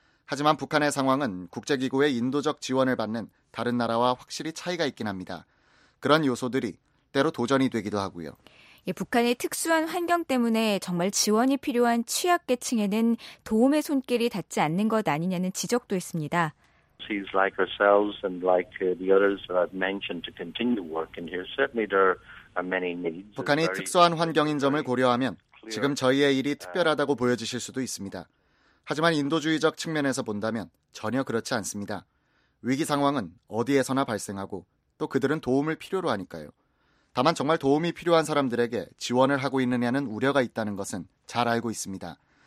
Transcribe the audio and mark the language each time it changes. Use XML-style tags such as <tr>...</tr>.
<ko>하지만 북한의 상황은 국제기구의 인도적 지원을 받는 다른 나라와 확실히 차이가 있긴 합니다. 그런 요소들이 때로 도전이 되기도 하고요. 북한의 특수한 환경 때문에 정말 지원이 필요한 취약계층에는 도움의 손길이 닿지 않는 것 아니냐는 지적도 있습니다.</ko> <en>Countries like ourselves and like the others that I've mentioned to continue working here. Certainly there are many needs.</en> <ko>북한이 특수한 환경인 점을 고려하면 지금 저희의 일이 특별하다고 보여지실 수도 있습니다. 하지만 인도주의적 측면에서 본다면 전혀 그렇지 않습니다. 위기 상황은 어디에서나 발생하고 또 그들은 도움을 필요로 하니까요. 다만 정말 도움이 필요한 사람들에게 지원을 하고 있느냐는 우려가 있다는 것은 잘 알고 있습니다.</ko>